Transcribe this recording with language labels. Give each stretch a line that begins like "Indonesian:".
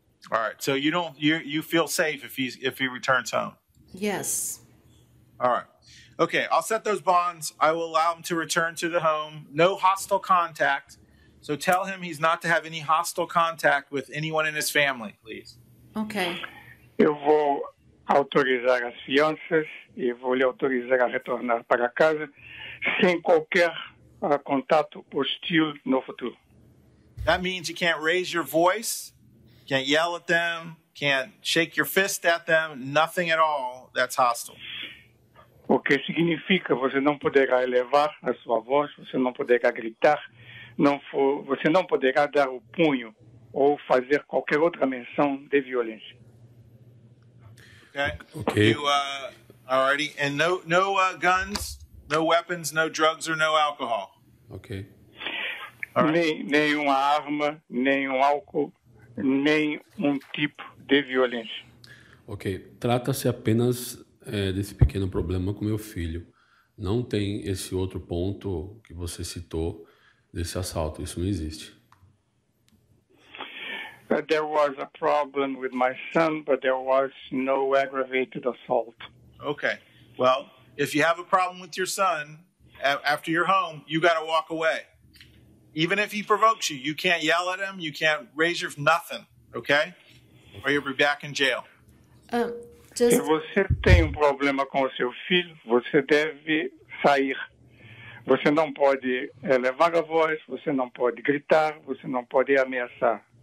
English: All right. So you feel safe if he returns home? Yes. All right. Okay. I'll set those bonds. I will allow him to return to the home. No hostile contact. So tell him he's not to have any hostile contact with anyone in his family, please. Okay.
Portuguese: Eu vou autorizar as fianças e vou lhe autorizar a retornar para casa sem qualquer contato hostil no futuro.
English: That means you can't raise your voice. Can't yell at them, can't shake your fist at them, nothing at all that's hostile.
Portuguese: O que significa você não poderá elevar a sua voz, você não poderá gritar, você não poderá dar o punho ou fazer qualquer outra menção de violência.
English: Okay. Alrighty. And guns, no weapons, no drugs or no alcohol. Okay.
Portuguese: Nenhuma arma, nenhum álcool. Nenhum tipo de violência. Ok. Trata-se apenas desse pequeno problema com meu filho. Não tem esse outro ponto que você citou desse assalto. Isso não existe.
English: There was a problem with my son, but there was no aggravated assault. Ok. Well, if you have a problem with your son after you're home, you got to walk away. Even if he provokes you, you can't yell at him, you can't raise your nothing, okay? Or you'll be back in jail.
Portuguese: Se você tem um problema com o seu filho, você deve sair. Você não pode elevar a voz, você não pode gritar, você não pode ameaçar.